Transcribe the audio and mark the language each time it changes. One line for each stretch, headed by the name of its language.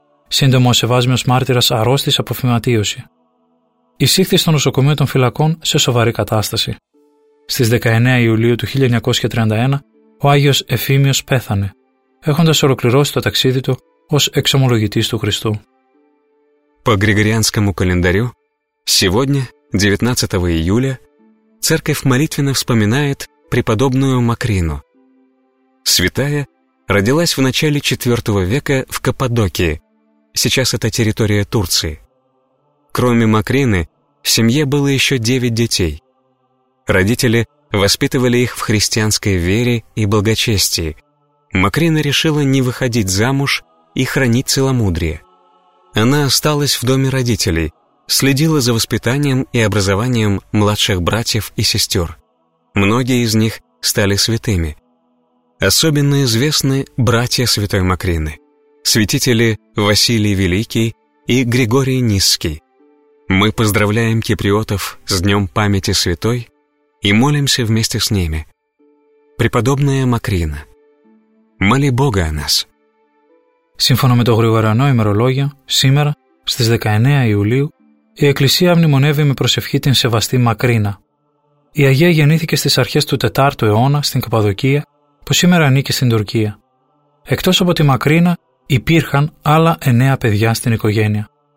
Greek: Σύντομα ο Σεβάσμιος Μάρτυρας αρρώστησε από φυματίωση. Εισήχθη στο νοσοκομείο των φυλακών σε σοβαρή κατάσταση. Στις 19 Ιουλίου του 1931, ο Άγιος Εφήμιος πέθανε, έχοντας ολοκληρώσει το ταξίδι του ως εξομολογητής του Χριστού.
Russian: По Григорианскому календарю, сегодня, 19 июля, церковь молитвенно вспоминает преподобную Макрину. Святая родилась в начале IV века в Каппадокии, сейчас это территория Турции. Кроме Макрины, в семье было еще 9 детей. Родители воспитывали их в христианской вере и благочестии. Макрина решила не выходить замуж и хранить целомудрие. Она осталась в доме родителей, следила за воспитанием и образованием младших братьев и сестер. Многие из них стали святыми. Особенно известны братья святой Макрины, святители Василий Великий и Григорий Ниский. Мы поздравляем киприотов с Днем памяти святой и молимся вместе с ними. Преподобная Макрина, моли Бога о нас.
Greek: Σύμφωνα με το γρηγοριανό ημερολόγιο, σήμερα, στις 19 Ιουλίου, η Εκκλησία μνημονεύει με προσευχή την σεβαστή Μακρίνα. Η Αγία γεννήθηκε στις αρχές του 4ου αιώνα στην Καπαδοκία, που σήμερα ανήκει στην Τουρκία. Εκτός από τη Μακρίνα, υπήρχαν άλλα 9 παιδιά στην οικογένεια.